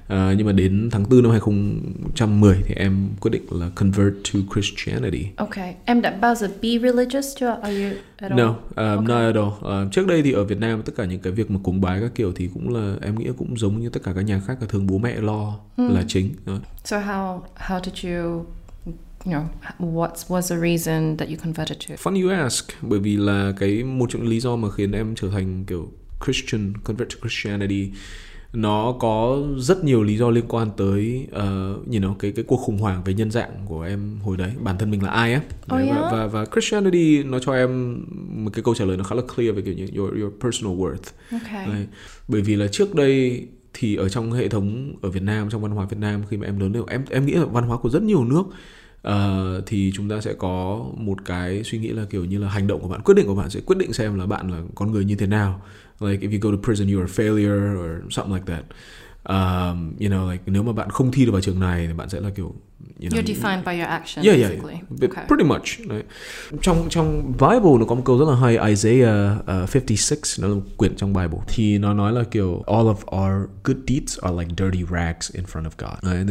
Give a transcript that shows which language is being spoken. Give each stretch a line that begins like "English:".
Vietnamese: Nhưng mà đến tháng 4 năm 2010 thì em quyết định là
English: convert to Christianity. Okay.
Vietnamese: Em đã bao giờ
English: be religious
Vietnamese: chưa?
English: Are you at all? No, okay. Not at all.
Vietnamese: Trước đây thì ở Việt Nam tất cả những cái việc mà cúng bái các kiểu thì cũng là em nghĩ cũng giống như tất cả các nhà khác, là thường bố mẹ lo là chính.
English: So how did you, you know, what was the reason that you converted to? Funny you ask,
Vietnamese: bởi vì là cái một trong những lý do mà khiến em trở thành kiểu Christian,
English: convert to Christianity,
Vietnamese: nó có rất nhiều lý do liên quan tới you know, cái cuộc khủng hoảng về nhân dạng của em hồi đấy, bản thân mình là ai á. Và Christianity nó cho em một cái câu trả lời nó khá là clear về kiểu như
English: your personal worth. Okay.
Vietnamese: Bởi vì là trước đây thì ở trong hệ thống ở Việt Nam, trong văn hóa Việt Nam, khi mà em lớn lên, em nghĩ là văn hóa của rất nhiều nước, thì chúng ta sẽ có một cái suy nghĩ là kiểu như là hành động của bạn, quyết định của bạn sẽ quyết định xem là bạn là con người như thế nào.
English: Like if you go to prison you are a failure or something like that. You know, like
Vietnamese: nếu mà bạn không thi được vào trường này thì bạn sẽ là kiểu, you know,
English: you're defined by your actions. Yeah, basically. Yeah, okay. Pretty much.
Vietnamese: Trong Bible nó có một câu rất là hay, Isaiah 56, nó là một quyển trong Bible, thì nó nói là kiểu
English: all of our good deeds are like dirty rags in front of God.